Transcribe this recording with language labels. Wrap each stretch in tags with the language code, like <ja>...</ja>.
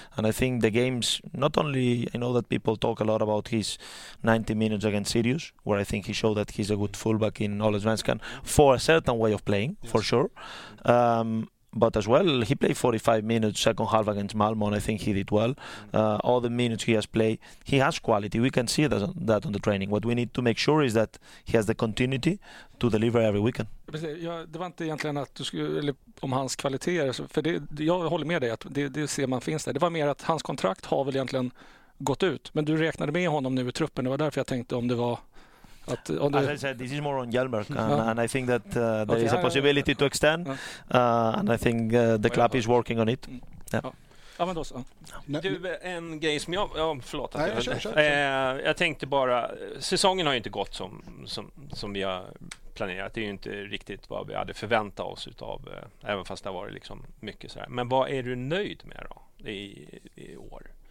<en>And I think the games, not only, I know that people talk a lot about his 90 minutes against Sirius, where I think he showed that he's a good fullback in Allsvenskan for a certain way of playing, yes, for sure. But as well, he played 45 minutes second half against Malmo, and I think he did well. All the minutes he has played, he has quality. We can see that on the training. What we need to make sure is that he has the continuity to deliver every weekend.</en> <sv>Ja, det var inte egentligen att du skulle, om hans kvaliteter, för det, jag håller med dig att det ser man finns där. Det var mer att hans kontrakt har väl egentligen gått ut, men du räknade med honom nu i truppen. Det var därför jag tänkte om det var...</sv> <en>As I said, this is more on Hjelmberg, and I think that there is a possibility to extend, and I think the club is working on it.</en> <sv>Du, en grej som jag... Ja, förlåt. Att jag tänkte bara, säsongen har ju inte gått som vi har planerat. Det är ju inte riktigt vad vi hade förväntat oss utav, även fast det har varit liksom mycket så här. Men vad är du nöjd med då i år?</sv>